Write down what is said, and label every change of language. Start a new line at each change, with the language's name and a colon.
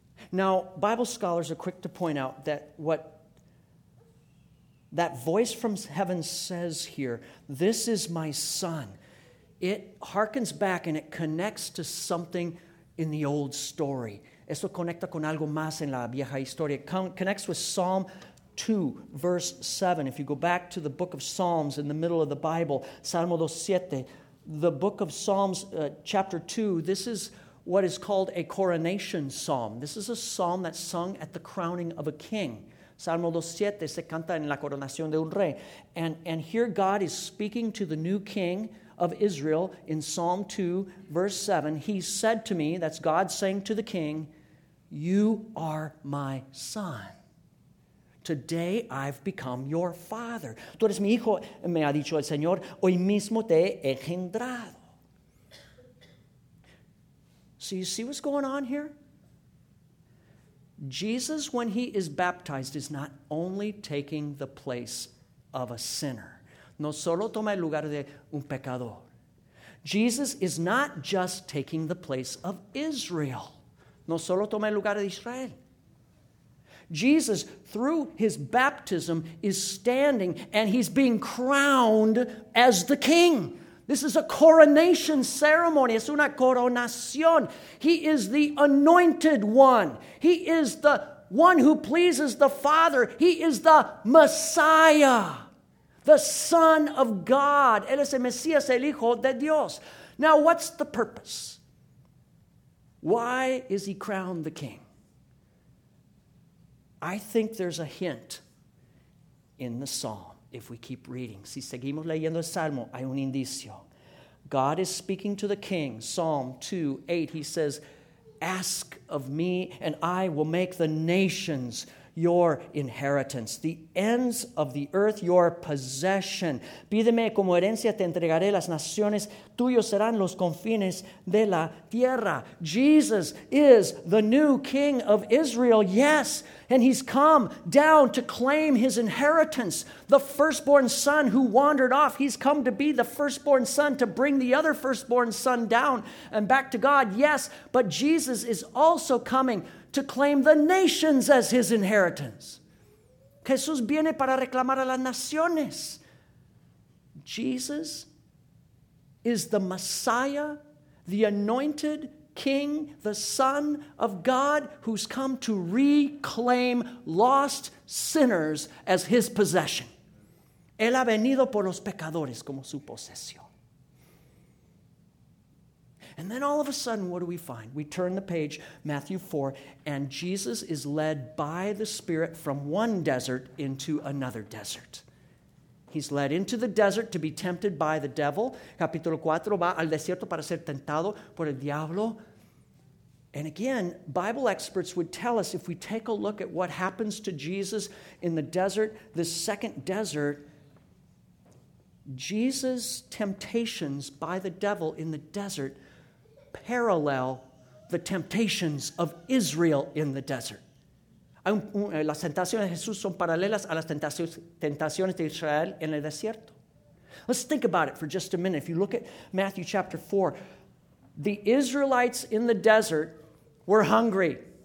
English: Now, Bible scholars are quick to point out that what that voice from heaven says here, "This is my son," it harkens back and it connects to something in the old story.
Spanish: Eso conecta con algo más en la vieja historia.
English: It connects with Psalm 2, verse 7. If you go back to the book of Psalms in the middle of the Bible,
Spanish: Salmo 2:7,
English: the book of Psalms, chapter 2, this is what is called a coronation psalm. This is a psalm that's sung at the crowning of a king.
Spanish: Salmo 2:7 se canta en la coronación de un rey.
English: And here God is speaking to the new king of Israel in Psalm 2, verse 7. "He said to me," that's God saying to the king, "you are my son. Today I've become your father."
Spanish: "Tú eres mi hijo," me ha dicho el Señor. "Hoy mismo te he engendrado."
English: So you see what's going on here? Jesus, when he is baptized, is not only taking the place of a sinner.
Spanish: No solo toma el lugar de un pecador.
English: Jesus is not just taking the place of Israel.
Spanish: No solo toma el lugar de Israel.
English: Jesus, through his baptism, is standing and he's being crowned as the king. This is a coronation ceremony.
Spanish: Es una coronación.
English: He is the anointed one. He is the one who pleases the Father. He is the Messiah, the Son of God.
Spanish: Él es el Mesías, el Hijo de Dios.
English: Now, what's the purpose? Why is he crowned the king? I think there's a hint in the psalm if we keep reading.
Spanish: Si seguimos leyendo el salmo, hay un indicio.
English: God is speaking to the king, Psalm 2, 8. He says, "Ask of me, and I will make the nations your inheritance, the ends of the earth your possession.
Spanish: Pídeme como herencia, te entregaré las naciones. Tuyos serán los confines de la tierra."
English: Jesus is the new king of Israel, yes. And he's come down to claim his inheritance. The firstborn son who wandered off, he's come to be the firstborn son to bring the other firstborn son down and back to God, yes. But Jesus is also coming to claim the nations as his inheritance.
Spanish: Jesús viene para reclamar a las naciones.
English: Jesus is the Messiah the anointed King, the Son of God, who's come to reclaim lost sinners as his possession.
Spanish: Él ha venido por los pecadores como su posesión.
English: And then all of a sudden, what do we find? We turn the page, Matthew 4, and Jesus is led by the Spirit from one desert into another desert. He's led into the desert to be tempted by the devil.
Spanish: Capítulo 4, va al desierto para ser tentado por el diablo.
English: And again, Bible experts would tell us, if we take a look at what happens to Jesus in the desert, the second desert, Jesus' temptations by the devil in the desert parallel the temptations of Israel in the desert.
Spanish: Las tentaciones de Jesús son paralelas a las tentaciones de Israel en el desierto.
English: Let's think about it for just a minute. If you look at Matthew chapter 4, the Israelites in the desert were hungry.